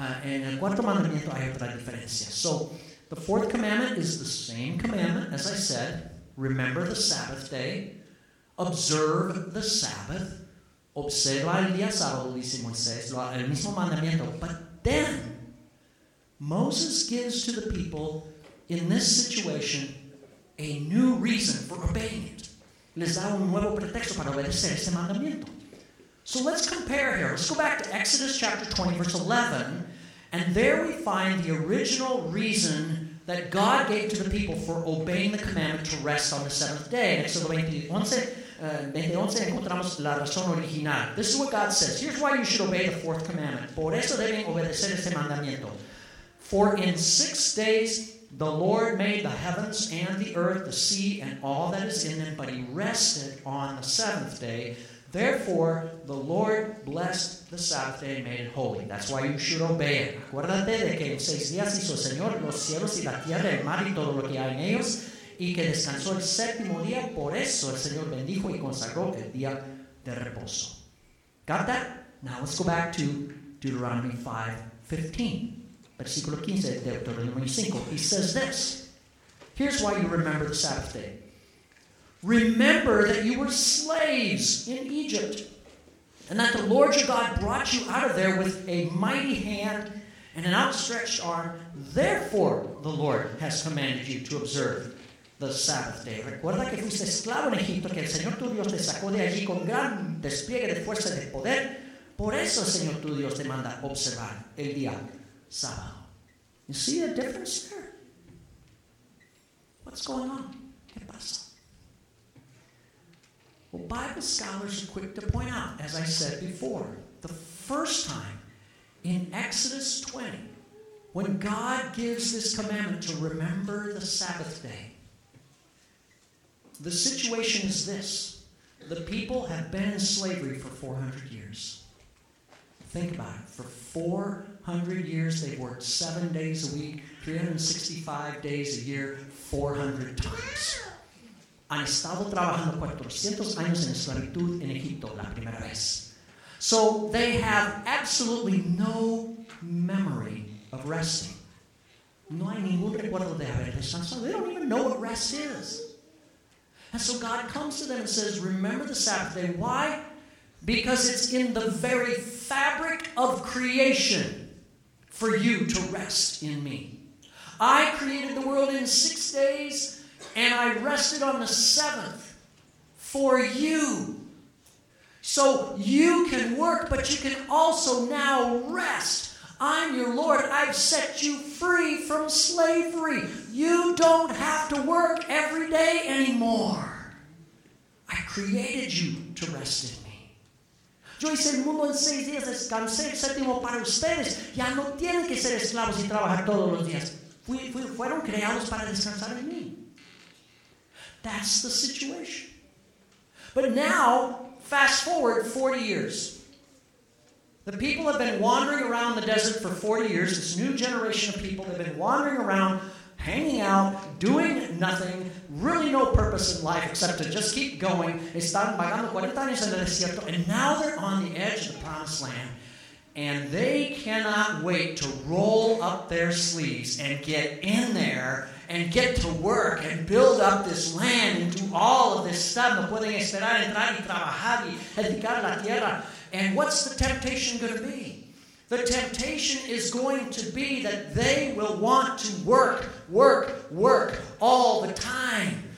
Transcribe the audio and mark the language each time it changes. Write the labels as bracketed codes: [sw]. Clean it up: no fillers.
[en] And [es] el cuarto mandamiento hay otra diferencia. [en] So, the fourth commandment is the same commandment, as I said, remember the Sabbath day, observe the Sabbath, [es] observa el día sábado, dice Moisés, el mismo mandamiento. [en] But then, Moses gives to the people in this situation a new reason for obeying it. [es] Les da un nuevo pretexto para obedecer ese mandamiento. [en] So let's compare here. Let's go back to Exodus chapter 20, verse 11. And there we find the original reason that God gave to the people for obeying the commandment to rest on the seventh day. [es] In Exodus 20:11, encontramos la razón original. [en] This is what God says. Here's why you should obey the fourth commandment. [es] Por eso deben obedecer este mandamiento. [en] For in 6 days the Lord made the heavens and the earth, the sea, and all that is in them, but he rested on the seventh day. Therefore, the Lord blessed the Sabbath day and made it holy. That's why you should obey it. [es] Acuérdate de que en 6 días hizo el Señor los cielos y la tierra, el mar y todo lo que hay en ellos, y que descansó el séptimo día. Por eso el Señor bendijo y consagró el día de reposo. [en] Got that? Now let's go back to Deuteronomy 5:15. [es] Versículo 15 de Deuteronomy 5. [en] He says this. Here's why you remember the Sabbath day. Remember that you were slaves in Egypt, and that the Lord your God brought you out of there with a mighty hand and an outstretched arm. Therefore, the Lord has commanded you to observe the Sabbath day. [es] Recuerda que fuiste esclavo en Egipto, que el Señor tu Dios te sacó de allí con gran despliegue de fuerza y de poder. Por eso el Señor tu Dios te manda observar el día sábado. [en] You see the difference there? What's going on? [es] ¿Qué pasa? [en] Well, Bible scholars are quick to point out, as I said before, the first time in Exodus 20, when God gives this commandment to remember the Sabbath day, the situation is this. The people have been in slavery for 400 years. Think about it. For 400 years, they've worked 7 days a week, 365 days a year, 400 times. [es] Han estado trabajando 400 años en esclavitud en Egipto la primera vez. [en] So they have absolutely no memory of resting. [es] No hay ningún recuerdo de haber descansado. [en] They don't even know what rest is. And so God comes to them and says, remember the Sabbath day. Why? Because it's in the very fabric of creation for you to rest in me. I created the world in 6 days, and I rested on the seventh for you. So you can work, but you can also now rest. I'm your Lord. I've set you free from slavery. You don't have to work every day anymore. I created you to rest in me. [es] Yo hice el mundo en 6 días, descansé el séptimo para ustedes. Ya no tienen que ser esclavos y trabajar todos los días. Fueron creados para descansar en mí. [en] That's the situation. But now, fast forward 40 years. The people have been wandering around the desert for 40 years. This new generation of people, they've been wandering around, hanging out, doing nothing, really no purpose in life except to just keep going. [es] Están vagando 40 años en el desierto, [en] and now they're on the edge of the promised land. And they cannot wait to roll up their sleeves and get in there and get to work and build up this land and do all of this stuff. [es] No pueden esperar entrar y trabajar y edificar la tierra. [en] And what's the temptation going to be? The temptation is going to be that they will want to work, work, work all the time.